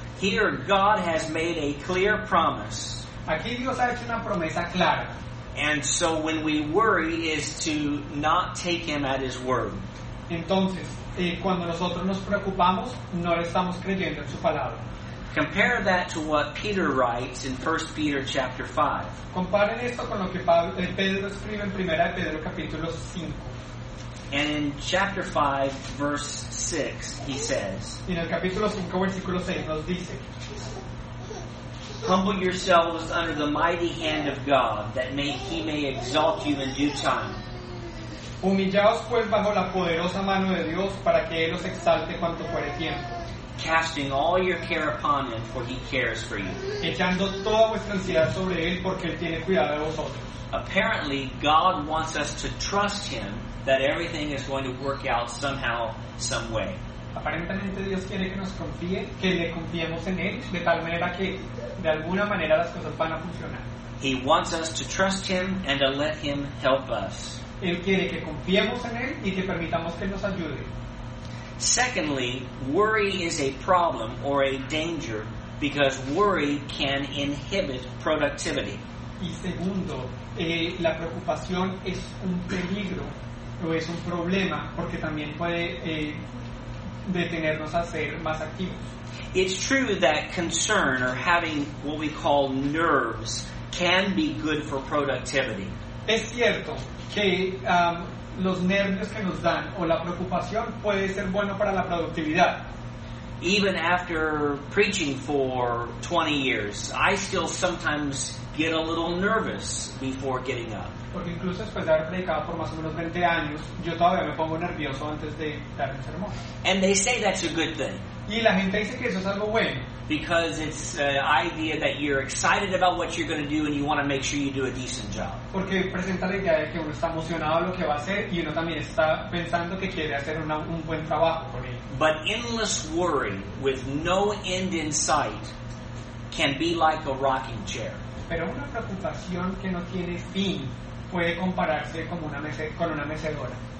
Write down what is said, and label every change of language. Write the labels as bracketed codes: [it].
[en] Here God has made a clear promise. [es] Aquí Dios ha hecho una promesa clara. [en] And so when we worry is to not take Him at His word. [es] Entonces, cuando nosotros nos preocupamos, no le estamos creyendo en su palabra. [en] Compare that to what Peter writes in 1 Peter chapter 5. [es] Comparen esto con lo que Pedro escribe en Primera de Pedro capítulo 5. [en] And in chapter 5 verse 6 he says. [es] Y en el capítulo 5 versículo 6 nos dice: [en] Humble yourselves under the mighty hand of God, that he may exalt you in due time. [es] Humillaos pues bajo la poderosa mano de Dios para que él os exalte cuando fuere tiempo. [en] Casting all your care upon him, for he cares for you. [es] Echando toda vuestra ansiedad sobre él, porque él tiene cuidado de vosotros. [en] Apparently, God wants us to trust him that everything is going to work out somehow, some way. [es] Aparentemente, Dios quiere que nos confíe, que le confiemos en él, de tal manera que de alguna manera las cosas van a funcionar. [en] He wants us to trust him and to let him help us. [es] Él quiere que confiemos en él y que permitamos que nos ayude. [en] Secondly, worry is a problem or a danger because worry can inhibit productivity. [es] Y segundo, la preocupación es un peligro o es un problema porque también puede detenernos a ser más activos. [en] It's true that concern or having what we call nerves can be good for productivity. [es] Es cierto que los nervios que nos dan o la preocupación puede ser bueno para la productividad. [en] Even after preaching for 20 years, I still sometimes get a little nervous before getting up. [es] Porque incluso después de haber predicado por más o menos 20 años, yo todavía me pongo nervioso antes de dar el sermón. [en] And they say that's a good thing. [es] Y la gente dice que eso es algo bueno. [en] Because it's the idea that you're excited about what you're going to do and you want to make sure you do a decent job. [es] Porque presenta la idea de que uno está emocionado lo que va a hacer y uno también está pensando que quiere hacer un buen trabajo con él. [en] But endless worry with no end in sight can be like a rocking chair. [es] Pero una preocupación que no tiene fin puede compararse como una con una mecedora.